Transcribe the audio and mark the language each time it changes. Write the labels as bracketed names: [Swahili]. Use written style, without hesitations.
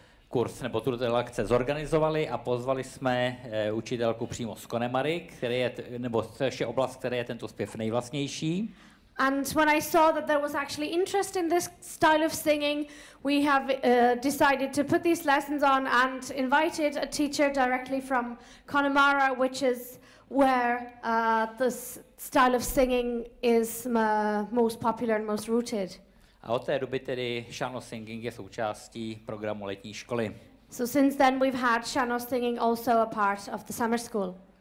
[Czech] kurz nebo tuto lekce zorganizovali a pozvali jsme učitelku přímo z Connemary, který je nebo což je oblast, které je tento zpěv nejvlastnější. [English] And when I saw that there was actually interest in this style of singing, we have decided to put these lessons on and invited a teacher directly from Connemara, which is where this style of singing is most popular and most rooted. [Czech] A od té doby tedy Shano singing je součástí programu letní školy. [English] So since then we've had Shano singing also a part of the summer school.